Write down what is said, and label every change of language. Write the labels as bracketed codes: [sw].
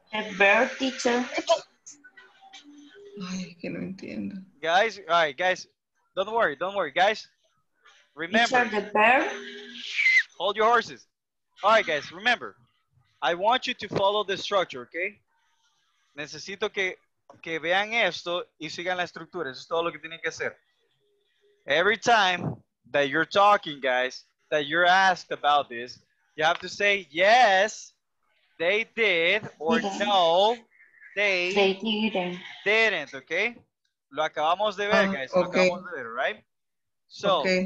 [en] A bear teacher. [es] Ay, que no entiendo. [en] Guys, all right, guys. Don't worry, guys. Remember. Teacher the bear. Hold your horses. All right, guys. Remember. I want you to follow the structure, okay? [es] Necesito que vean esto y sigan la estructura. Eso es todo lo que tienen que hacer. [en] Every time that you're talking, guys, that you're asked about this, you have to say, yes, they did, or no, they didn't, [es] okay? Lo acabamos de ver, guys. Okay. Lo acabamos de ver, right? So, okay.